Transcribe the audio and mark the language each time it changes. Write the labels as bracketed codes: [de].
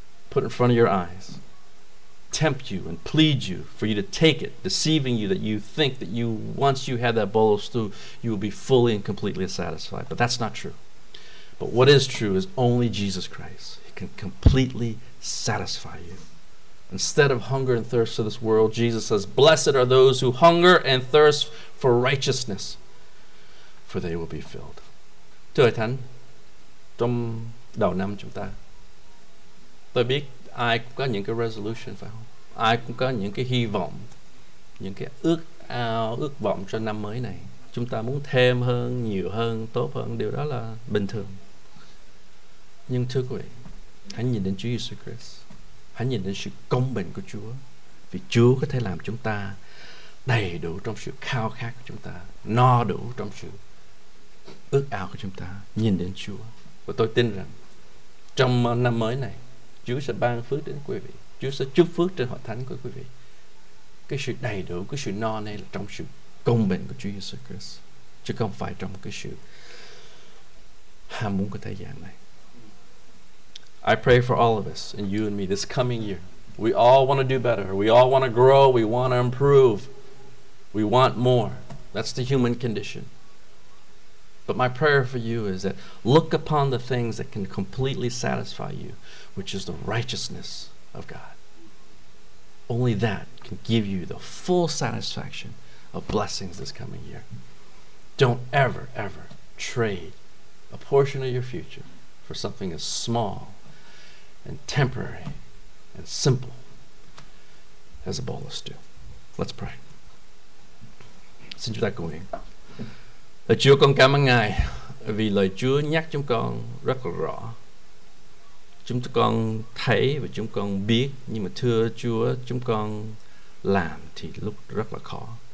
[en] Put in front of your eyes. Tempt you and plead you for you to take it, deceiving you that you think that you, once you had that bowl of stew, you will be fully and completely satisfied. But that's not true. But what is true is only Jesus Christ. He can completely satisfy you. Instead of hunger and thirst of this world, Jesus says, blessed are those who hunger and thirst for righteousness, for they will be filled. 这位谈中老男主大特别 [vi] ai cũng có những cái resolution phải không? Ai cũng có những cái hy vọng, những cái ước ao, ước vọng cho năm mới này. Chúng ta muốn thêm hơn, nhiều hơn, tốt hơn, điều đó là bình thường. Nhưng thưa quý vị, hãy nhìn đến Chúa Jesus Christ, hãy nhìn đến sự công bình của Chúa, vì Chúa có thể làm chúng ta đầy đủ trong sự khao khát của chúng ta, no đủ trong sự ước ao của chúng ta. Nhìn đến Chúa, và tôi tin rằng trong năm mới này, Chúa sẽ ban phước đến quý vị. Chúa sẽ chúc phước trên hội thánh của quý vị. Cái sự đầy đủ, cái sự no này là trong sự công bình của Chúa Jesus Christ, chứ không phải trong cái sự ham muốn của thế gian này. [en] I pray for all of us and you and me this coming year. We all want to do better. We all want to grow. We want to improve. We want more. That's the human condition. But my prayer for you is that look upon the things that can completely satisfy you, which is the righteousness of God. Only that can give you the full satisfaction of blessings this coming year. Don't ever, ever trade a portion of your future for something as small and temporary and simple as a bowl of stew. Let's pray. [vi] Xin Chúa cùng mình. Lời Chúa con cảm ơn Ngài vì lời Chúa nhắc chúng con rất là rõ. Chúng con thấy và chúng con biết, nhưng mà thưa Chúa, chúng con làm thì lúc rất là khó.